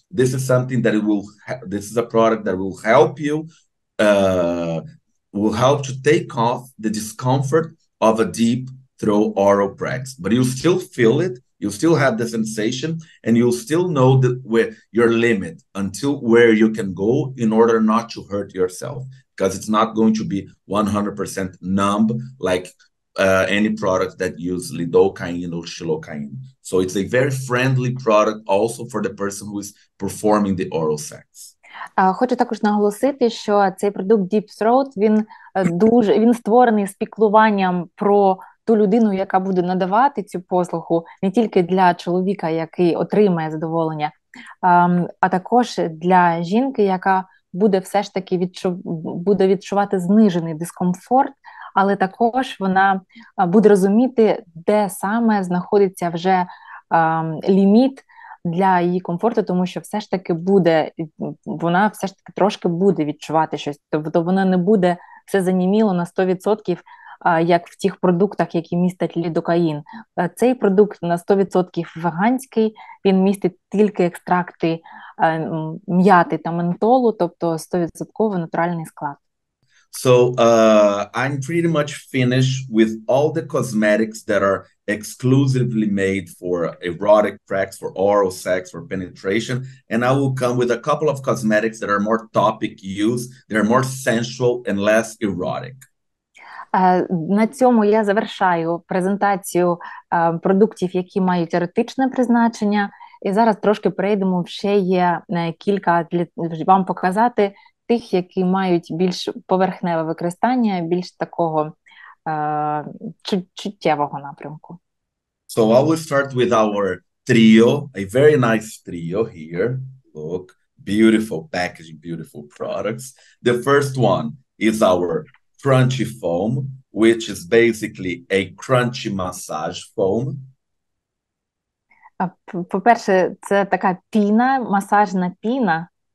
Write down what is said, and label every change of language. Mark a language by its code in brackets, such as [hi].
[en] This is something that it will this is a product that will help you will help to take off the discomfort of a deep throw oral practice, but you still feel it, you still have the sensation, and you still know that where your limit until where you can go in order not to hurt yourself, because it's not going to be 100% numb like any product that use lidocaine or xylocaine. So it's a very friendly product also for the person who is performing the oral sex. [uk] Хочу також наголосити, що цей продукт Deep Throat, він створений спіклуванням про ту людину, яка буде надавати цю послугу, не тільки для чоловіка, який отримає задоволення, а також для жінки, яка буде все ж таки буде відчувати знижений дискомфорт, але також вона буде розуміти, де саме знаходиться вже ліміт для її комфорту, тому що все ж таки буде, вона все ж таки трошки буде відчувати щось, тобто вона не буде все заніміло на 100%, як в тих продуктах, які містять лідокаїн. Цей продукт на 100% веганський, він містить тільки екстракти м'яти та ментолу, тобто 100% натуральний склад. [en] So, I'm pretty much finished with all the cosmetics that are exclusively made for erotic practice, for oral sex, for penetration, and I will come with a couple of cosmetics that are more topic use, they are more sensual and less erotic. [uk] На цьому я завершаю презентацію продуктів, які мають теоретичне призначення. І зараз трошки перейдемо, ще є кілька для вам показати тих, які мають більш поверхневе використання, більш такого чуттєвого напрямку. [en] So I will start with our trio, a very nice trio here. Look, beautiful packaging, beautiful products. The first one is our crunchy foam, which is basically a crunchy massage foam. [uk] По-перше, це така піна, масажна піна.